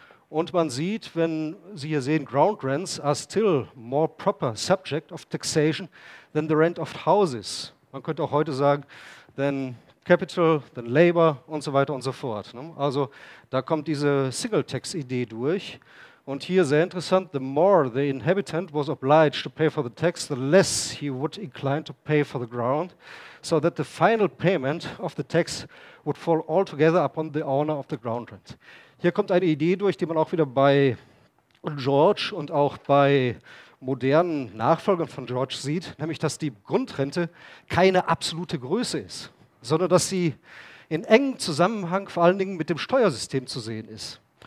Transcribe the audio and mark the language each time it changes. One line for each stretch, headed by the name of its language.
German: Und man sieht, wenn Sie hier sehen,
English: Ground Rents are still more proper subject of taxation than the rent of houses.
German: Man könnte auch heute sagen,
English: than capital, than labor
German: und so weiter und so fort. Also da kommt diese Single Tax Idee durch. Und hier sehr interessant,
English: the more the inhabitant was obliged to pay for the tax, the less he would incline to pay for the ground, so that the final payment of the tax would fall altogether upon the owner of the ground rent.
German: Hier kommt eine Idee durch, die man auch wieder bei George und auch bei modernen Nachfolgern von George sieht, nämlich, dass die Grundrente keine absolute Größe ist, sondern dass sie in engem Zusammenhang vor allen Dingen mit dem Steuersystem zu sehen ist.